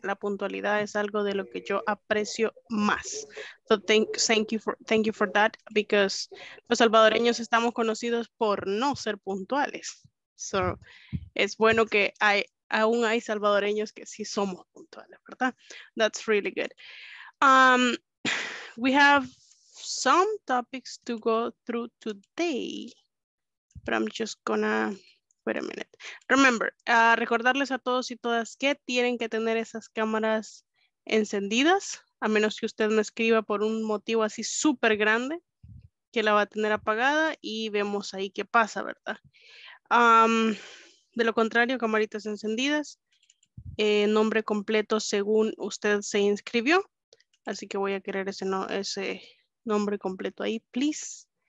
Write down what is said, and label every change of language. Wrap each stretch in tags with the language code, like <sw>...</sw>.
<es>La puntualidad es algo de lo que yo aprecio más.</es> <en>So thank you for that, because</en> <es>los salvadoreños estamos conocidos por no ser puntuales. So es bueno que hay, aún hay salvadoreños que sí somos puntuales, ¿verdad?</es> <en>That's really good. We have some topics to go through today, but I'm just gonna wait a minute.</en> <es>Remember, recordarles a todos y todas que tienen que tener esas cámaras encendidas, a menos que usted me escriba por un motivo así súper grande, que la va a tener apagada y vemos ahí qué pasa, ¿verdad? De lo contrario, camaritas encendidas, nombre completo según usted se inscribió, así que voy a querer ese, no, ese nombre completo ahí, please.</es>